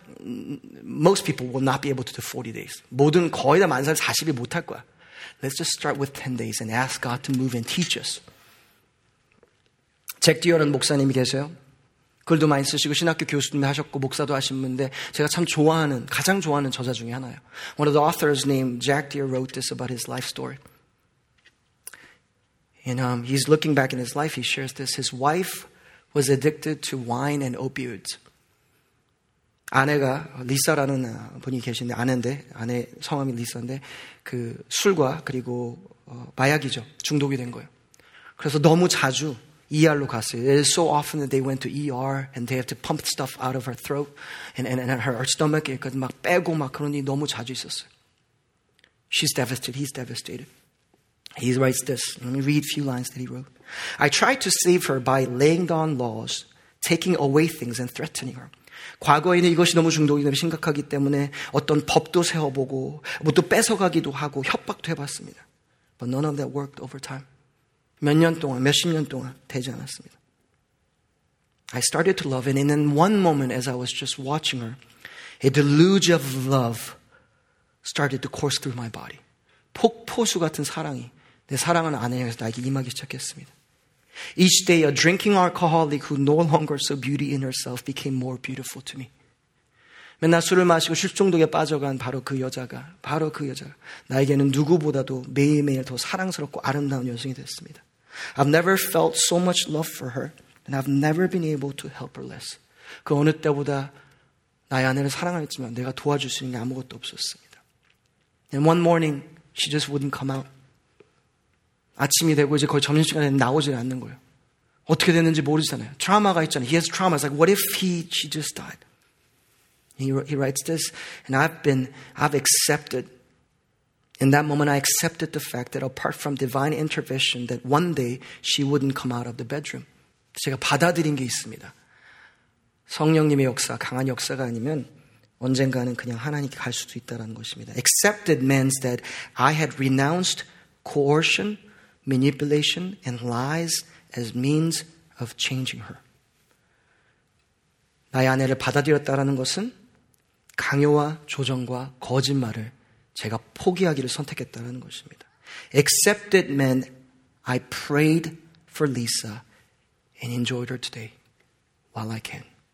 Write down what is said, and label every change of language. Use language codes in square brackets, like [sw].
[en] Most people will not be able to do 40 days. [ko] 모든 거의 다 만살 40일 못할 거야. [en] Let's just start with 10 days and ask God to move and teach us. [ko] 잭 듀어라는 목사님이 계세요. 글도 많이 쓰시고 신학교 교수님도 하셨고 목사도 하신 분인데 제가 참 좋아하는, 가장 좋아하는 저자 중에 하나예요. [en] One of the authors named Jack Deere wrote this about his life story. And he's looking back in his life, he shares this. His wife was addicted to wine and opioids. [ko] 아내가 리사라는 분이 계신데 아내인데, 아내 성함이 리사인데 그 술과 그리고 마약이죠. 중독이 된 거예요. 그래서 너무 자주 ER로 갔어요. [en] It is so often that they went to ER and they have to pump stuff out of her throat and her stomach. [ko] 그래서 막 빼고 막 그런 일이 너무 자주 있었어요. [en] She's devastated. He's devastated. He writes this. Let me read a few lines that he wrote. I tried to save her by laying down laws, taking away things and threatening her. [ko] 과거에는 이것이 너무 중독이 너무 심각하기 때문에 어떤 법도 세워보고 뭐 또 뺏어가기도 하고 협박도 해봤습니다. [en] But none of that worked over time. [ko] 몇 년 동안, 몇십 년 동안 되지 않았습니다. [en] I started to love, and in one moment, as I was just watching her, a deluge of love started to course through my body. [ko] 폭포수 같은 사랑이 내 사랑하는 아내 향해서 나에게 임하기 시작했습니다. [en] Each day, a drinking alcoholic who no longer saw beauty in herself became more beautiful to me. [ko] 맨날 술을 마시고 술중독에 빠져간 바로 그 여자가, 바로 그 여자가 나에게는 누구보다도 매일매일 더 사랑스럽고 아름다운 여성이 됐습니다. [en] I've never felt so much love for her And I've never been able to help her less. [ko] 그 어느 때보다 나의 아내를 사랑했지만 내가 도와줄 수 있는 게 아무것도 없었습니다. [en] And one morning, she just wouldn't come out. [ko] 아침이 되고 이제 거의 점심시간에 나오질 않는 거예요. 어떻게 됐는지 모르잖아요. 트라우마가 있잖아요. [en] He has trauma. It's like, what if she just died? He writes this, and I've accepted. In that moment, I accepted the fact that apart from divine intervention, that one day she wouldn't come out of the bedroom. [ko] 제가 받아들인 게 있습니다. 성령님의 역사, 강한 역사가 아니면 언젠가는 그냥 하나님께 갈 수도 있다는 것입니다. [en] Accepted means that I had renounced coercion, manipulation, and lies as means of changing her. [ko] 나의 아내를 받아들였다라는 것은 강요와 조정과 거짓말을 제가 포기하기를 선택했다는 것입니다. [en] Accepted meant I prayed for Lisa and enjoyed her today while I can.